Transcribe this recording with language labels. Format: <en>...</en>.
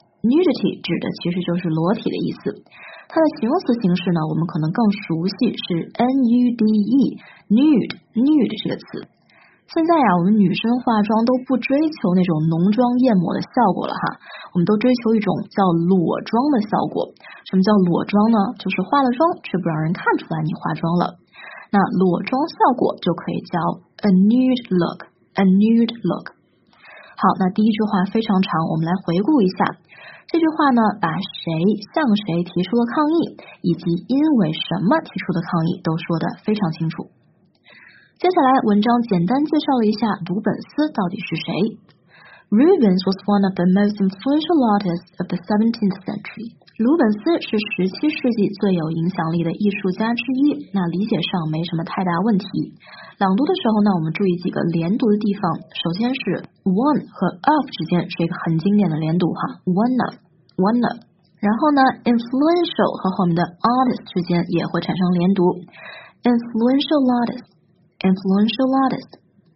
<zh>Nudity 指的其实就是裸体的意思，它的形容词形式呢，我们可能更熟悉是 nude， nude， nude 这个词。现在呀，我们女生化妆都不追求那种浓妆艳抹的效果了哈，我们都追求一种叫裸妆的效果。什么叫裸妆呢？就是化了妆却不让人看出来你化妆了。那裸妆效果就可以叫</zh> <en>a nude look，</en> <zh>a nude look。好，那第一句话非常长，我们来回顾一下。这句话呢，把谁向谁提出了抗议，以及因为什么提出的抗议，都说得非常清楚。接下来文章简单介绍了一下鲁本斯到底是谁。</zh> <en>Rubens was one of the most influential artists of the 17th century。</en> <zh>鲁本斯是17世纪最有影响力的艺术家之一，那理解上没什么太大问题。朗读的时候呢，我们注意几个连读的地方，首先是 one 和 of 之间是一个很经典的连读哈，</zh> <en>one of，</en> <zh>然后呢 influential 和后面的 artist 之间也会产生连读，</zh> <en>influential artistinfluential artist。</en>